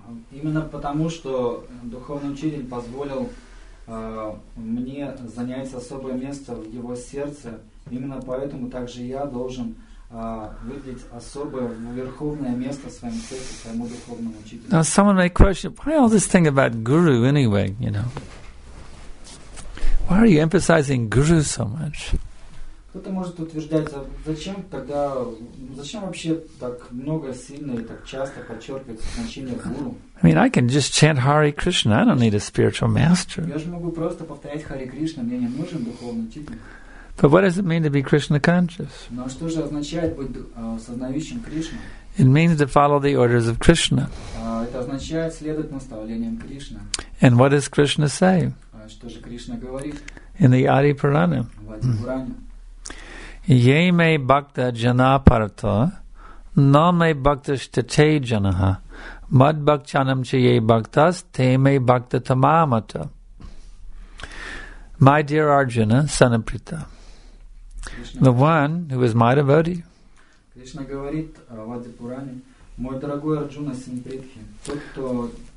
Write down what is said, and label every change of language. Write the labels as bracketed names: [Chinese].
[Russian] Именно потому, что духовный учитель позволил мне занять особое место в его сердце, именно поэтому также я должен выделить особое верховное место в своем сердце своему духовному учителю. [English] Now someone may question, why all this thing about guru anyway, you know? Why are you emphasizing guru so much? [Russian] Кто-то может утверждать, зачем вообще так много сильно и так часто подчеркивать значение гуру? [English] I mean, I can just chant Hare Krishna. I don't need a spiritual master. [Russian] Я же могу просто повторять Харе Кришна. Мне не нужен духовный учитель. [English] But what does it mean to be Krishna conscious? [Russian] Но что же означает быть сознающим Кришна? [English] It means to follow the orders of Krishna. [Russian] Это означает следовать наставлениям Кришны. [English] And what does Krishna say? [Russian] Что же Кришна говорит? [English] In the Adi Purana. [Russian] В Ади Пуране. [Sanskrit] Yeme bhakta jana parato, name bhakta shtate janaha, mad bhakchanam cha ye bhaktas, te me bhakta tamamata. [English] My dear Arjuna, son of Prita, the one who is my devotee. [Russian] Krishna говорит в Ади Пуране, мой дорогой Арджуна, сын Притхи, тот, кто...